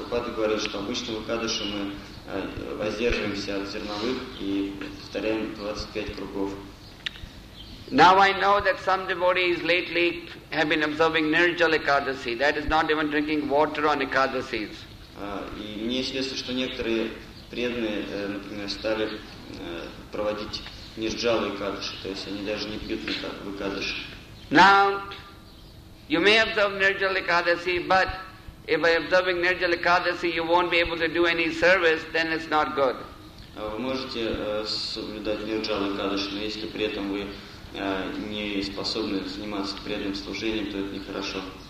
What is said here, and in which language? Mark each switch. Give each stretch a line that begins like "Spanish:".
Russian: Прабхупада говорит, что обычно в Экадаши мы воздерживаемся от зерновых и повторяем 25 кругов.
English: Now I know that some devotees lately have been observing Nirjal Ekadasi, that is not even drinking water on Ekadasis.
Russian: И мне известно, что некоторые преданные, например, стали проводить Нирджалу Экадаши, то есть они даже не пьют в Экадаши.
English: Now, you may observe Nirjal Ekadasi, but if by observing Nirjal Ekadasi you won't be able to do any service, then it's not good.
Russian: Вы можете соблюдать Нирджалу Экадаши, но если при этом вы не способны заниматься преданным служением, то это нехорошо.